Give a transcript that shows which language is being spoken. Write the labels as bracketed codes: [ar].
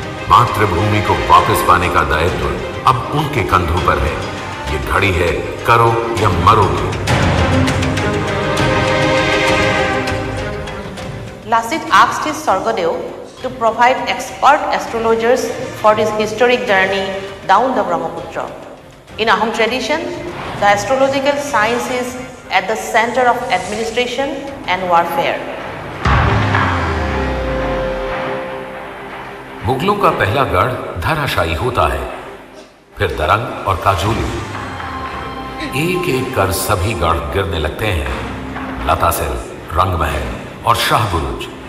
[hi] मातृभूमि को वापस पाने का दायित्व अब उनके कंधों पर है। ये घड़ी है, करो या मरोगे। [en] Lachit asked his Swargadeo to provide expert astrologers for this historic journey down the Brahmaputra. In Ahom tradition the astrological science is at the center of administration and warfare. [hi] मुगलों का पहला गढ़ धराशायी होता है, फिर दरंग और काजोली। एक एक कर सभी गढ़ गिरने लगते हैं, लतासिल, रंगमहल और शाहबुरुज।